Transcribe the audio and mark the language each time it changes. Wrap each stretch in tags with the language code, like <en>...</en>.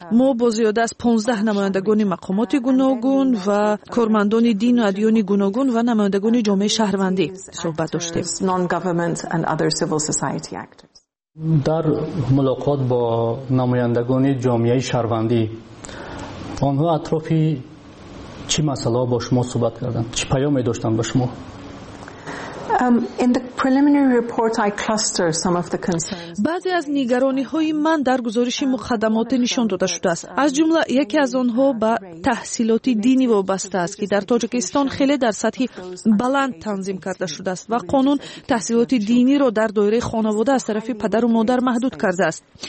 <tg>ما با زیاده از 15 نمایندگان مقامات گوناگون و کارمندان دین و ادیان گوناگون و نمایندگان جامعه شهروندی صحبت داشتیم. در ملاقات با نمایندگان جامعه شهروندی، آنها اطرافی چی مسئله با شما صحبت کردند؟ چی پیامی داشتند با شما؟</tg> <en>In the preliminary report, I cluster some of the concerns.</en> <tg>بعضی از نگرانی های من در گزارش مقدمات نشان داده شده است. از جمله یکی از آنها به تحصیلات دینی وابسته است که در تاجیکستان خیلی در سطح بلند تنظیم کرده شده است و قانون تحصیلات دینی را در دایره خانواده از طرف پدر و مادر محدود کرده است.</tg>